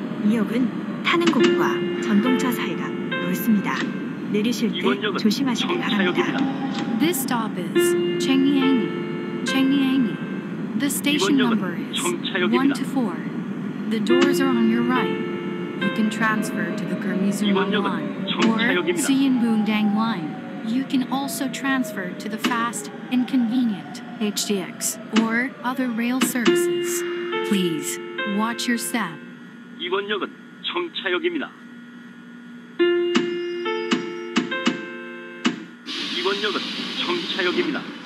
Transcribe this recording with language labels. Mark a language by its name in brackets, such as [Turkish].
[Korean] 이 역은 타는 곳과 전동차 사이가 넓습니다. 내리실 때 조심하시기 바랍니다. [English] This stop is Changyang-i. Changyang-i. The station number is 1-4. The doors are on your right. You can transfer to the Gurmizuma line or Seonbungdang line. You can also transfer to the fast and convenient HDX or other rail services. Please watch your step. [Korean] 이번 역은 청차역입니다. 이번 역은 청차역입니다.